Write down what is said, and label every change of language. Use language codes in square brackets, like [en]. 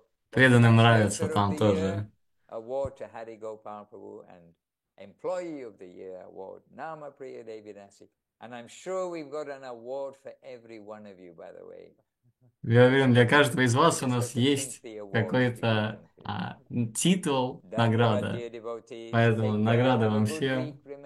[ru] Преданным нравится там тоже. [en] Award to Hari Gopal Prabhu and Employee of the Year Award, Nama Priya Devi Dasi. And I'm sure we've got an award for every one of you, by the way. [ru] Я уверен, для каждого из вас у нас есть какой-то титул, награда. Поэтому награда вам всем.